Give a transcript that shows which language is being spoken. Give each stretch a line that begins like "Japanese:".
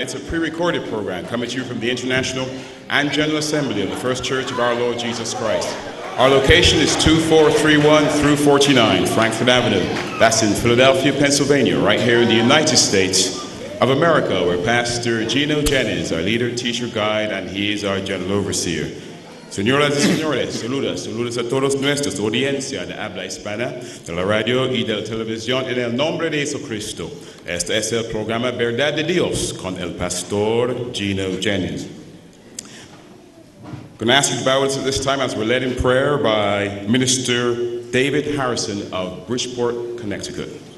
English: It's a pre-recorded program coming to you from the International and General Assembly of the First Church of our Lord Jesus Christ. Our location is 2431 through 49 Frankfort Avenue. That's in Philadelphia, Pennsylvania, right here in the United States of America, where Pastor Gino Jennings, our leader, teacher, guide, and he is our general overseer.
Spanish: Señoras y señores, saludos a todos nuestros audiencia de habla hispana, de la radio y de la televisión, en el nombre de Jesucristo. Este es el programa Verdad de Dios con el Pastor Gino Jennings.
English: Going to ask you to bow with us at this time as we're led in prayer by Minister David Harrison of Bridgeport, Connecticut.